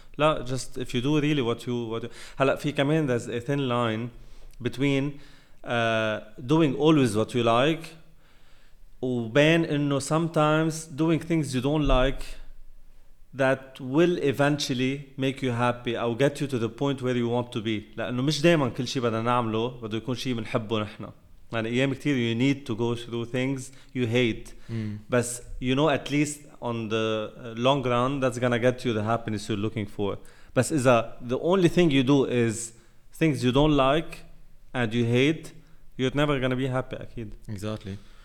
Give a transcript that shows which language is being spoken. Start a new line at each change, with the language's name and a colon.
Arabic: لا,
English: just if you do really what you
Arabic: هلا في كمان
English: there's a thin line between doing always what you like,
Arabic: وبين إنه
English: sometimes doing things you don't like that will eventually make you happy or get you to the point where you want to be.
Arabic: لأنه مش دائما كل شيء بدنا نعمله بده يكون شيء بنحبه نحنا. يعني أيام كتير
English: you need to go through things you hate.
Arabic: بس
English: you know at least on the long run that's gonna get you the happiness you're looking for.
Arabic: بس إذا
English: the only thing you do is things you don't like and you hate, you're never gonna be happy
Arabic: أكيد.
English: Exactly.